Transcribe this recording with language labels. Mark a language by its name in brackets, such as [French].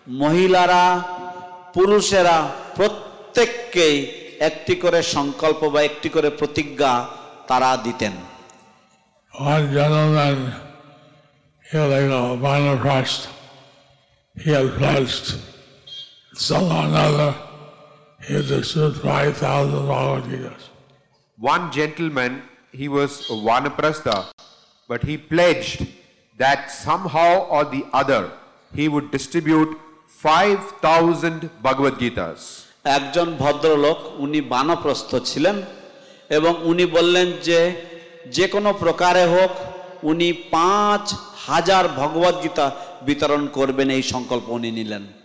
[Bangla] মহিলারা পুরুষেরা প্রত্যেককে একটি করে সংকল্প বা একটি করে প্রতিজ্ঞা তারা দিতেন. [English] One gentleman, he was like a vanaprast. He had pledged somehow or another he had received 5,000 Bhagavad-gitas. One gentleman, he was a vanaprastha, but he pledged that somehow or the other he would distribute 5,000 Bhagavad-gitas. [Bangla] একজন ভদ্রলোক উনি বানপ্রস্থ ছিলেন এবং উনি বললেন যে যে কোনো প্রকারে হোক উনি 5,000 ভগবদ্গীতা বিতরণ করবেন এই সংকল্প উনি নিলেন.